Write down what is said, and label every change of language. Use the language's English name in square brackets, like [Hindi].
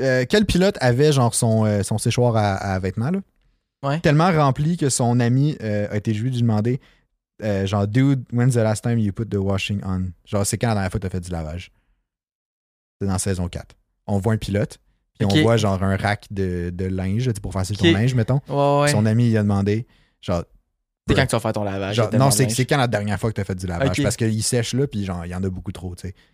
[French] Quel pilote avait genre son séchoir à vêtements? Là, ouais. Tellement rempli que son ami a été joué de lui demander [English] genre, dude, when's the last time you put the washing on? [French] Genre, c'est quand la dernière fois que t'as fait du lavage? C'est dans saison 4. On voit un pilote, puis okay. On voit genre un rack de linge, pour faire ton linge, mettons. Ouais, ouais. Son ami, il a demandé, genre... C'est quand que tu vas faire ton lavage? Genre, non, c'est quand la dernière fois que t'as fait du lavage? Okay. Parce qu'il sèche là, puis genre, il y en a beaucoup trop, tu sais.